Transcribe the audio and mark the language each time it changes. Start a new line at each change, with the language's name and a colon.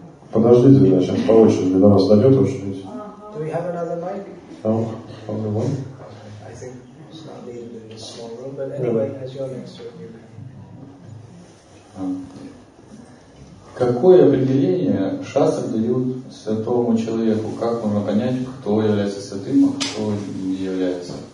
Russian: Подождите, сейчас по очереди на вас дойдет уже.
English: Do we have another mic? No, only one. I think it's not in the small room, but anyway, as your next room.
Russian: Какое определение шастры дают святому человеку? Как можно понять, кто является святым, а кто не является?